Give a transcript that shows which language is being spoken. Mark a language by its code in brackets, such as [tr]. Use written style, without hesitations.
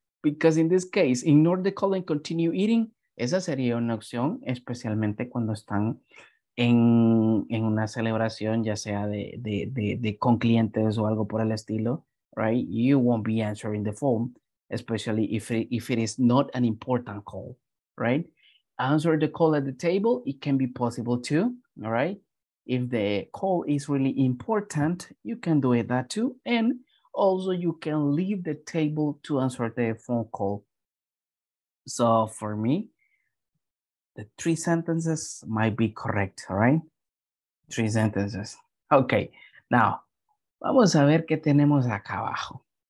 [en] Because in this case, ignore the call and continue eating. [es] Esa sería una opción, especialmente cuando están en una celebración, ya sea de con clientes o algo por el estilo, right? [en] You won't be answering the phone, especially if it is not an important call, right? Answer the call at the table. It can be possible too, all right? If the call is really important, you can do it that too. And also you can leave the table to answer the phone call. So for me, the three sentences might be correct, right? Three sentences. Okay, now, [es] vamos a ver qué tenemos acá abajo.